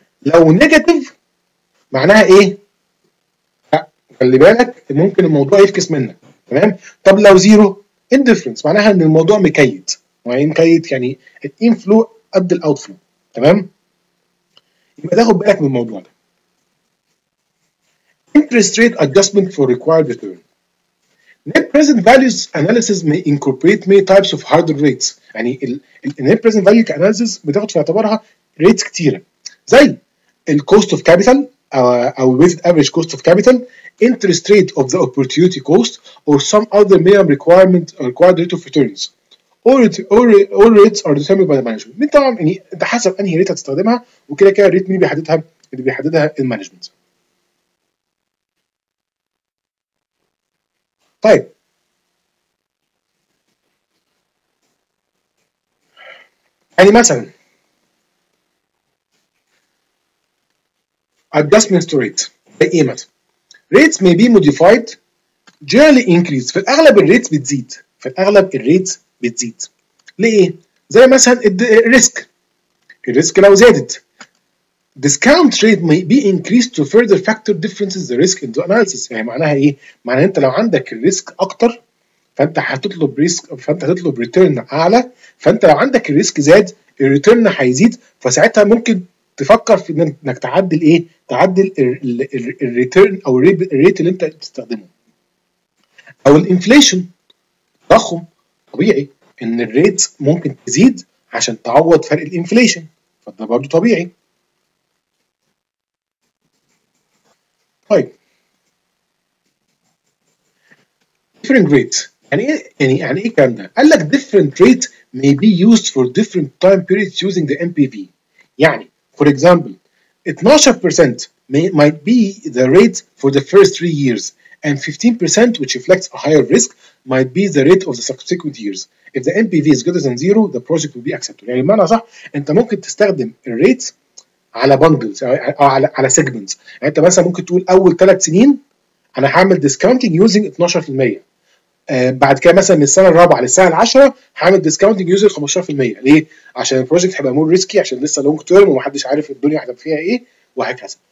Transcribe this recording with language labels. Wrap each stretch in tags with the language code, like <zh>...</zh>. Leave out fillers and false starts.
<ar>لو نيجاتيف معناها ايه؟ لا خلي بالك ممكن الموضوع يفكس منك. تمام. طب لو زيرو انديفرنس معناها ان الموضوع مكيد، مكيد يعني الانفلو قد الاوتفلو. تمام. يبقى تاخد بالك من الموضوع ده.</ar> <en>Interest rate adjustment for required return. Net present values analysis may incorporate many types of hurdle rates.</en> <ar>يعني ال net present value analysis بتاخد في اعتبارها rates كتيرة. زي ال</ar> <en>cost of capital أو weighted average cost of capital, interest rate of the opportunity cost, or some other minimum requirement required rate of returns. All rates are determined by the management.</en> <ar>من طبعا يعني انت حسب انهي rate هتستخدمها، وكده كده rate مين بيحددها؟ اللي بيحددها المانجمنت. طيب يعني مثلا</ar> <en>adjustments to rates بقيمة rates may be modified generally increase.</en> <ar>في الأغلب الريتس بتزيد، في الأغلب الريتس بتزيد. ليه؟ زي مثلا الريسك. الريسك لو زادت</ar> <en>discount rate may be increased to further factor differences the risk into analysis.</en> <ar>يعني معناها ايه؟ معناها انت لو عندك الريسك اكتر فانت هتطلب ريسك، فانت هتطلب ريتيرن اعلى. فانت لو عندك الريسك زاد الريتيرن هيزيد، فساعتها ممكن تفكر في انك تعدل ايه؟ تعدل الريتيرن او الريت اللي انت بتستخدمه. او الانفليشن تضخم، طبيعي ان الريت ممكن تزيد عشان تعوض فرق الانفليشن، فده برضو طبيعي.</ar> <en>طيب different rates</en> <ar>يعني ايه الكلام ده؟ قال لك</ar> <en>different rates may be used for different time periods using the NPV. يعني for example 12% might be the rate for the first 3 years and 15% which reflects a higher risk might be the rate of the subsequent years. If the NPV is greater than 0 the project will be accepted.</en> <ar>يعني بمعنى صح انت ممكن تستخدم rates على bundles او على segments. يعني انت مثلا ممكن تقول اول 3 سنين انا هعمل discounting using 12%، بعد كده مثلا من السنه الرابعه للسنه العاشره هعمل discounting using 15%. ليه؟ عشان البروجكت هيبقى مور ريسكي، عشان لسه لونج تيرم ومحدش عارف الدنيا هتبقى فيها ايه وهكذا.</ar>